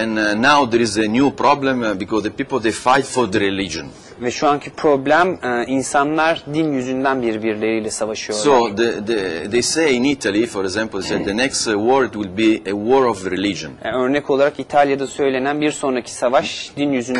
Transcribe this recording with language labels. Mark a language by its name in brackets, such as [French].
[English] And now there is a new problem because the people they fight for the religion. [Turkish] Ve şu anki problem insanlar din yüzünden birbirleriyle savaşıyorlar. [English] So they say in Italy for example said the next war will be a war of religion. [Turkish] Örnek olarak İtalya'da söylenen bir sonraki savaş din yüzünden